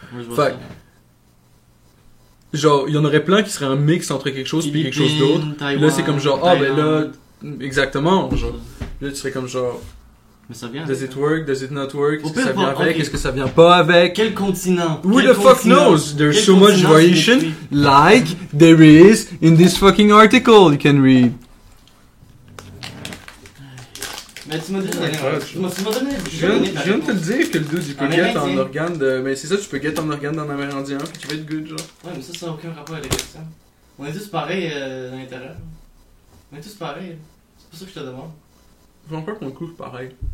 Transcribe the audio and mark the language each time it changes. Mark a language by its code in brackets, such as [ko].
[fr] Oui, je vois fait, ça. Genre, il y en aurait plein qui seraient un mix entre quelque chose et quelque chose d'autre. Taïwan, là, c'est comme genre, ah, oh, ben là, exactement. Genre. Là, tu serais comme genre, mais ça vient [en] does it work, does it not work, est-ce que ça vient avec, okay. [fr] Est-ce que ça vient pas avec. Quel continent? [en] Who the fuck knows? There's so much variation, like there is in this fucking article you can read. [fr] Mais tu m'as donné, je viens de te le dire que le dude il peut get en organe de. Mais c'est ça, tu peux get en organe d'un amérindien, puis tu vas être good, genre. Ouais, mais ça a aucun rapport avec ça. On est tous pareils à l'intérieur. On est tous pareils. C'est pas ça que je te demande. Je pense pas qu'on les couche pareil.